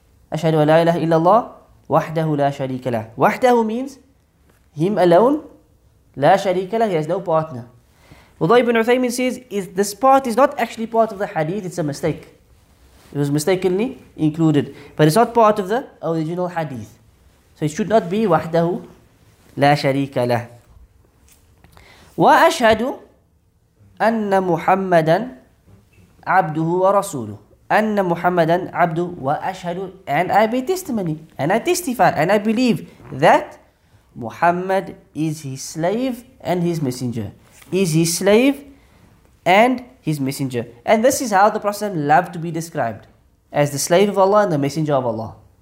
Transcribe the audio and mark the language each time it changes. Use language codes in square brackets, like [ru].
[ar] Ashhadu an la ilaha illallah, wahdahu la sharika lah. [en] Wahdahu means him alone, [ar] la sharika lah, [en] he has no partner. Although Ibn Uthaymin says, this part is not actually part of the hadith, it's a mistake. It was mistakenly included. But it's not part of the original hadith. So it should not be [ar] وحده لا شريك له. وأشهد أن محمدا عبده ورسوله. أن محمدا عبده وأشهد. [en] And I be testimony. And I testify. And I believe that Muhammad is his slave and his messenger. Is his slave and his messenger. And this is how the Prophet loved to be described. As the slave of Allah and the messenger of Allah.